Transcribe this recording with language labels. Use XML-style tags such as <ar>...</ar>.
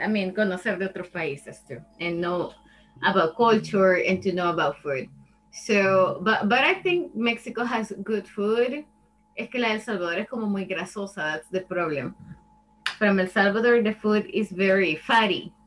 <en>I mean,</en> <es>conocer de otros países</es> <en>too, and know about culture and to know about food. So, but I think Mexico has good food.</en> <es>Es que la de El Salvador es como muy grasosa.</es> <en>That's the problem. From El Salvador, the food is very fatty.</en>